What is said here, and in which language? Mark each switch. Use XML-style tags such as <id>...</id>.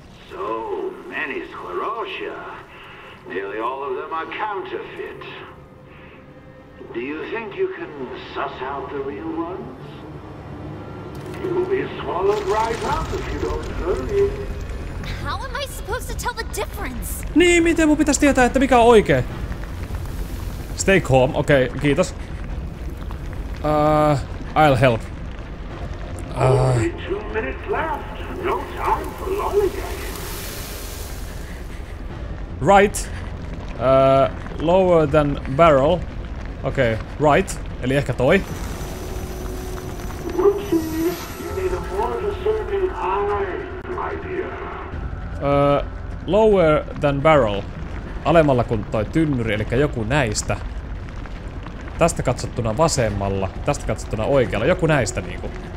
<en>So many sclerotia. Nearly all of them are counterfeit. Do you think you can suss out the real ones? You'll be swallowed right up if you don't hurry. How am I supposed to tell the difference?</en> <fi>Niin, miten mun pitäis tietää, että mikä on oikee?</fi> <en>Stay calm. Okei, okay, kiitos. I'll help. Only 2 minutes left. No time for lollygagging. Right. Lower than barrel. Okei, okay, right.</en> <fi>Eli ehkä toi.</fi> <en>Whoopsie. You need a more discerning eye, my dear. Lower than barrel.</en> <fi>Alemmalla kuin toi tynnyri, eli joku näistä. Tästä katsottuna vasemmalla, tästä katsottuna oikealla, joku näistä niinku.</fi>